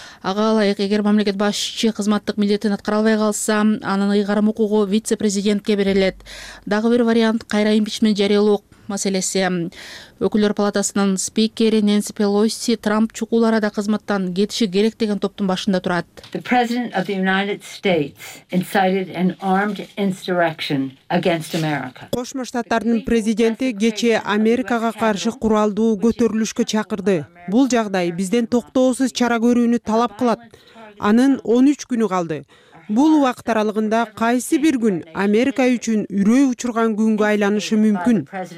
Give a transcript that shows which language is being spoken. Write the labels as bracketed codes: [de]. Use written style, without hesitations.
[ky] Ага ылайык, эгер мамлекет башчы кызматтык милдетин аткара албай калса, анын ыйгарым укугу вице-президентке берилет. Дагы бир вариант кайра импичмент жарыялоо маселеси. Өкүлөр палатасынын спикери Нэнси Пелоси Трамп чукулары да кызматтан кетиши керек деген топтун башында турат. [en] The President of the United States incited an armed insurrection against America. [ky] Кошмо Штаттардын президенти кечээ Америкага каршы куралдуу көтөрүлүшкө чакырды. Бул жагдай бизден токтоосуз чара көрүүнү талап кылат. Анын 13 күнү калды. Бул убакыт аралыгында кайсы бир күн Америка үчүн үрөй учурган күнгө айланышы мүмкүн.